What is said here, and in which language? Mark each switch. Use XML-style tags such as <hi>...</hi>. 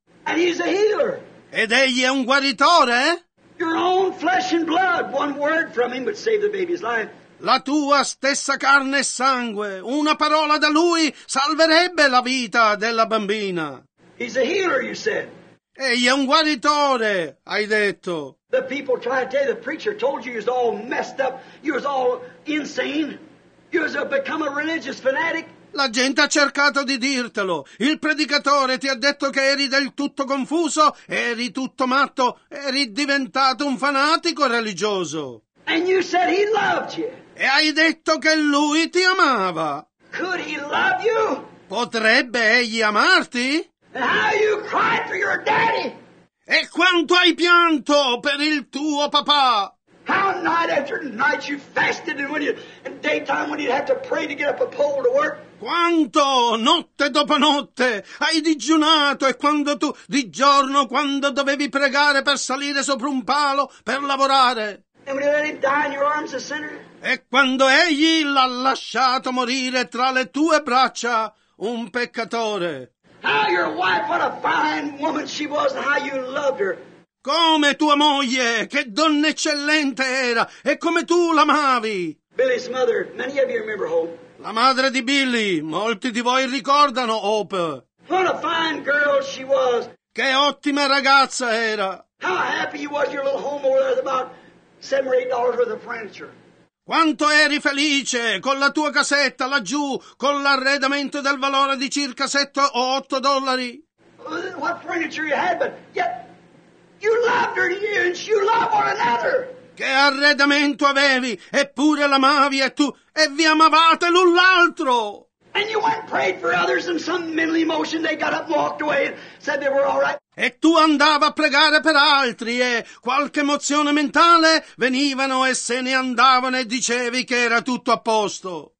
<en>And he's a healer.</en> <it>Ed egli è un guaritore?</it> <en>Your own flesh and blood, one word from him would save the baby's life.</en> <it>La tua stessa carne e sangue, una parola da lui salverebbe la vita della bambina.</it> <en>He's a healer, you said.</en> <it>Egli è un guaritore, hai detto.</it> <en>The people try to tell you, the preacher told you, you was all messed up, you was all insane, you was become a religious fanatic.</en> <it>La gente ha cercato di dirtelo. Il predicatore ti ha detto che eri del tutto confuso, eri tutto matto, eri diventato un fanatico religioso.</it> <en>And you said he loved you.</en> <it>E hai detto che lui ti amava.</it> <en>Could he love you?</en> <it>Potrebbe egli amarti?</it> <en>And how you cried for your daddy.</en> <it>E quanto hai pianto per il tuo papà?</it> <en>How night after night you fasted and when you in daytime when you'd have to pray to get up a pole to work.</en> <it>Quanto notte dopo notte hai digiunato e quando tu di giorno quando dovevi pregare per salire sopra un palo per lavorare.</it> <en>And when you let him die in your arms, a sinner.</en> <it>E quando egli l'ha lasciato morire tra le tue braccia, un peccatore.</it> <en>How your wife, what a fine woman she was, and how you loved her.</en> <it>Come tua moglie, che donna eccellente era, e come tu l'amavi.</it> <en>Billy's mother, many of you remember Hope.</en> <it>La madre di Billy, molti di voi ricordano Hope.</it> <en>What a fine girl she was.</en> <it>Che ottima ragazza era.</it> <en>How happy you was your little home over there with about $7 or $8 worth of furniture.</en> <it>Quanto eri felice con la tua casetta laggiù, con l'arredamento del valore di circa $7 or $8.</it> <en>What furniture you had, but yet you loved her and you love one another.</en> <it>Che arredamento avevi, eppure l'amavi, e tu, e vi amavate l'un l'altro!</it> <en>And you went and prayed for others, and some mental emotion, they got up and walked away and said they were all right.</en> <it>E tu andava a pregare per altri, e qualche emozione mentale venivano e se ne andavano e dicevi che era tutto a posto.</it>